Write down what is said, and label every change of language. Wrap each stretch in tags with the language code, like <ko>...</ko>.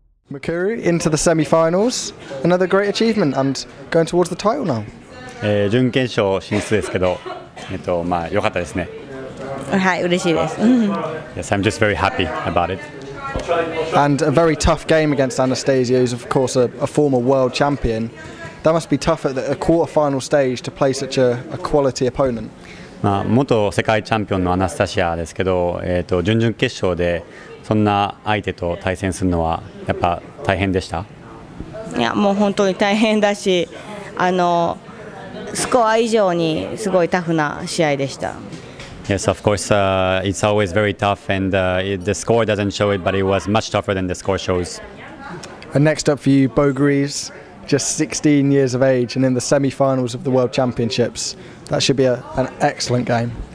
<en>Mikuru into the semi-finals, another great achievement and going towards the title now.</en> <ja>準決勝進出ですけど、まあ良かったですね。はい、嬉しいです。</ja> <en>Yes, I'm just very happy about it. And a very tough game against Anastasia, who's of course a former world champion. That must be tough at a quarter-final stage to play such a quality opponent.</en> <ja>まあ元世界チャンピオンのアナスタシアですけど、準々決勝でそんな相手と対戦するのはやっぱ大変でした。いや、もう本当に大変だし、スコア以上にすごいタフな試合でした。</ja> <en>Yes, of course, it's always very tough, and the score doesn't show it, but it was much tougher than the score shows. And next up for you, Beau Greaves, just 16 years of age, and in the semi-finals of the World Championships, that should be an excellent game.</en>